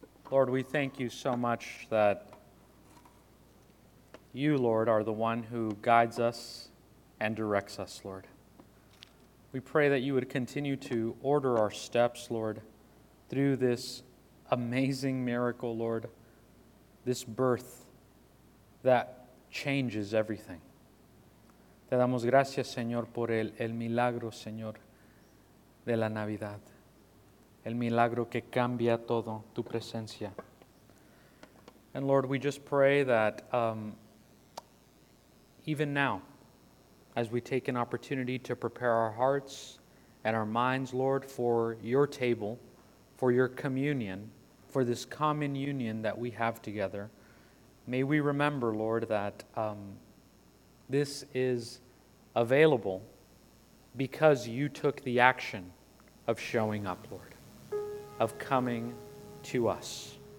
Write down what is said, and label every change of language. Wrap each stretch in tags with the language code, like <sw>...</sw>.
<en>Lord, we thank you so much that you, Lord, are the one who guides us and directs us, Lord. We pray that you would continue to order our steps, Lord, through this amazing miracle, Lord, this birth that changes everything.</en> <es>Te damos gracias, Señor, por el milagro, Señor, de la Navidad. El milagro que cambia todo, tu presencia.</es> <en>And Lord, we just pray that even now, as we take an opportunity to prepare our hearts and our minds, Lord, for your table, for your communion, for this common union that we have together, may we remember, Lord, that this is available because you took the action of showing up, Lord, of coming to us.</en>